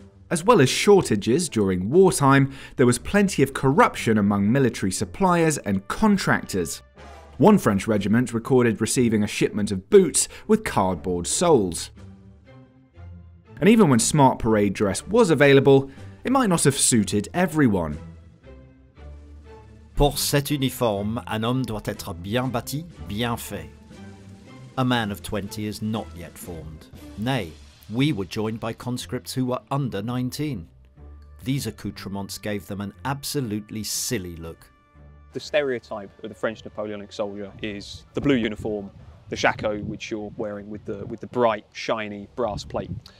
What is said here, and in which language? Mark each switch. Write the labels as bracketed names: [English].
[English] As well as shortages during wartime, there was plenty of corruption among military suppliers and contractors. One French regiment recorded receiving a shipment of boots with cardboard soles. And even when smart parade dress was available, it might not have suited everyone. [French] Pour cet uniforme, un homme doit être bien bâti, bien fait. [English] A man of 20 is not yet formed. Nay, we were joined by conscripts who were under 19. These accoutrements gave them an absolutely silly look. The stereotype of the French Napoleonic soldier is the blue uniform, the shako, which you're wearing with the bright, shiny brass plate.